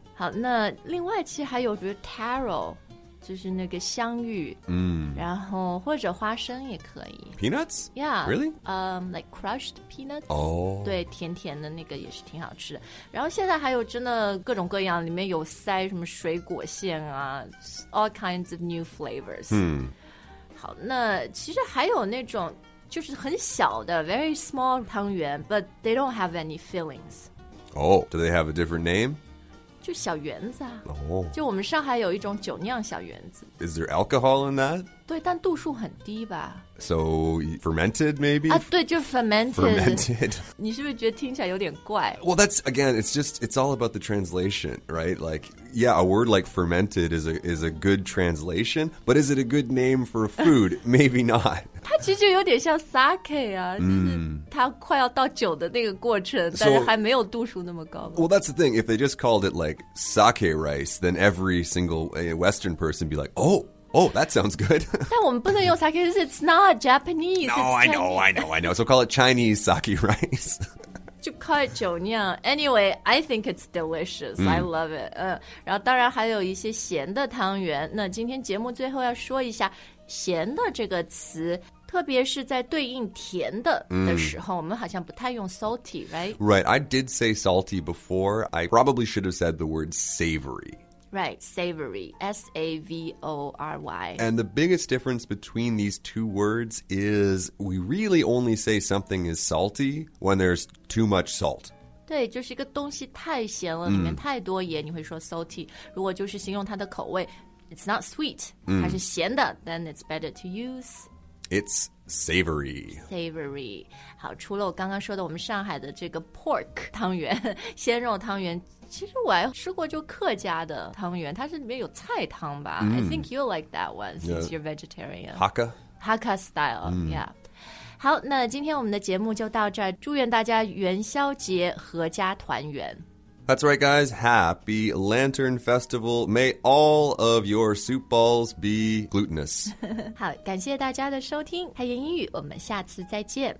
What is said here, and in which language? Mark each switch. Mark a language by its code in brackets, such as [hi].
[zh] 好，那另外其实还有比如 tarot, 就是那个香芋，然后或者花生也可以。 [en] Peanuts? Yeah. Really? Like crushed peanuts. Oh. [zh] 对，甜甜的那个也是挺好吃的。然后现在还有真的各种各样，里面有塞什么水果馅啊， [en] all kinds of new flavors. [zh] 好，那其实还有那种就是很小的 very small 汤圆 [en] but they don't have any fillings. Oh, do they have a different name? [zh] 就小圆子啊。 [en] Oh. [zh] 就我们上海有一种酒酿小圆子。 [en] Is there alcohol in that? [zh] 对，但度数很低吧。 [en] So, fermented maybe? [zh] 啊，对，就 fermented. [en] Fermented. [zh] 你是不是觉得听起来有点怪？ [en] Well, that's, again, it's just, it's all about the translation, right? Like, yeah, a word like fermented is a good translation, but is it a good name for a food? Maybe not. [zh] 它其实就有点像 sake 啊，就是它快要到酒的那个过程，但是还没有度数那么高。 [en] Well, that's the thing. If they just called it like sake rice, then every single Western person be like, oh, that sounds good. [zh] 但我们不能用 sake, [en] because it's not Japanese. No, I know. So call it Chinese sake rice. [zh] 就call it 酒酿。 [en] Anyway, I think it's delicious. I love it. [zh] 然后当然还有一些咸的汤圆。那今天节目最后要说一下咸的这个词，特别是在对应甜的的时候，我们好像不太用 salty, right? [en] Right, I did say salty before. I probably should have said the word savory. Right, savory, S-A-V-O-R-Y. And the biggest difference between these two words is we really only say something is salty when there's too much salt. [zh] 对，就是一个东西太咸了，里面太多盐，你会说 salty. 如果就是形容它的口味， [en] It's not sweet. [zh] 它是咸的 [en] Then it's better to use. It's savory. Savory. [zh] 好，除了我刚刚说的我们上海的这个 pork 汤圆，鲜肉汤圆，其实我还吃过就客家的汤圆，它是里面有菜汤吧。 [en] I think you'll like that one since you're vegetarian. Hakka? Hakka style, yeah. [zh] 好，那今天我们的节目就到这儿，祝愿大家元宵节阖家团圆。 [en] That's right, guys. Happy Lantern Festival. May all of your soup balls be glutinous. [zh] 好，感谢大家的收听，开言英语，我们下次再见。